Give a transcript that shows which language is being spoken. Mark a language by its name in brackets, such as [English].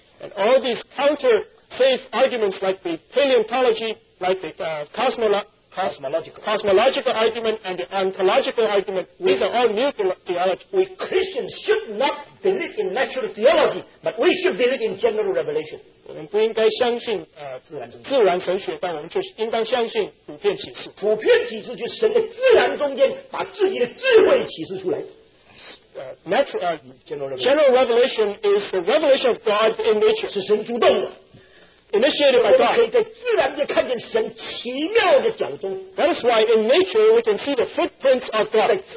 [English] And all these counter faith arguments like the paleontology, like the cosmological argument and the ontological argument, these are all new theology. We Christians should not believe in natural theology, but we should believe in general revelation. [Chinese] 我们不应该相信自然神学，但我们却应当相信普遍启示。普遍启示就是神在自然中间把自己的智慧启示出来。 [English] General revelation is the revelation of God in nature. [Chinese] 是神主动的。 [English] Initiated by God. That is why in nature we can see the footprints of God.